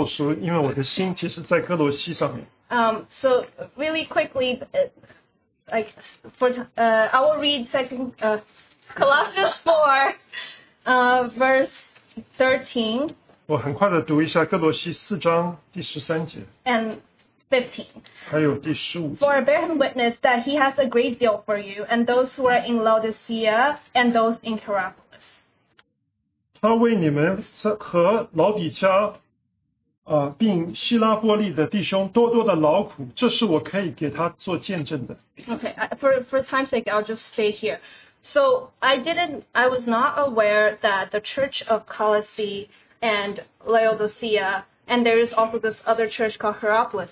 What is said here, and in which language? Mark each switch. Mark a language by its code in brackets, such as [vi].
[zh] 刚才我说到好像是哥罗西后书，因为我的心其实在哥罗西上面。 [en] So really quickly, I will read 2 Colossians 4, verse 13. [zh] 我很快的读一下哥罗西4章第13节。 [en] And 15. [zh] 还有第15节, [en] for I bear him witness that he has a great deal for you, and those who are in Laodicea, and those in Hierapolis. [zh] 他为你们和老底嘉，并希拉波利的弟兄多多的劳苦， 这是我可以给他做见证的。 [en] Okay, for time's sake, I'll just stay here. So I was not aware that the Church of Colossae and Laodicea, and there is also this other church called Hierapolis.